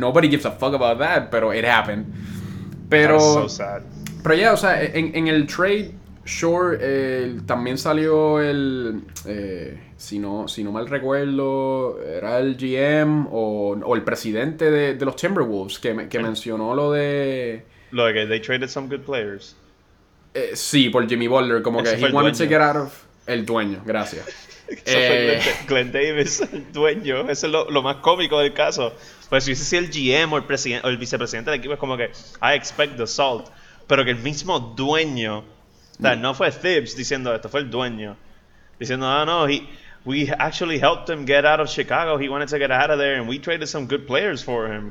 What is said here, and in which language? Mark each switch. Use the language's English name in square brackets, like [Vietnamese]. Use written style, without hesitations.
[English] Nobody gives a fuck about that, pero it happened. Pero that's so sad. [Spanish] Pero ya, yeah, o sea, en el trade, sure, también salió el... Si no mal recuerdo, era el GM o el presidente de los Timberwolves que mencionó lo de... Lo de que [English] they traded some good players. [Spanish] Sí, por Jimmy Butler, como ese que [English] he wanted [Spanish] dueño. [English] To get out of... [Spanish] El dueño, gracias. Glenn Davis, el dueño, eso es lo más cómico del caso. Pues si es el GM o el vicepresidente del equipo, es como que [English] I expect the salt. [Spanish] Pero que el mismo dueño, no fue Thibs diciendo esto, fue el dueño. Diciendo, [English] we actually helped him get out of Chicago. He wanted to get out of there, and we traded some good players for him.